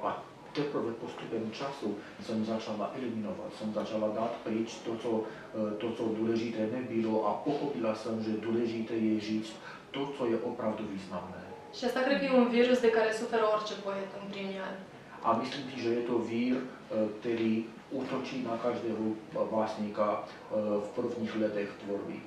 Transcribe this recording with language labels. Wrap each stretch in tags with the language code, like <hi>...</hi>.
<cs>A teprve postupem času jsem začala eliminovat, jsem začala dát pryč to, co důležité nebylo, a pochopila jsem, že důležité je říct to, co je opravdu významné.</cs> <ro>Și asta cred că e un virus de care suferă orice poet în primii ani.</ro> <cs>A myslím si, že je to vír, který útočí na každého básníka v prvních letech tvorby.</cs>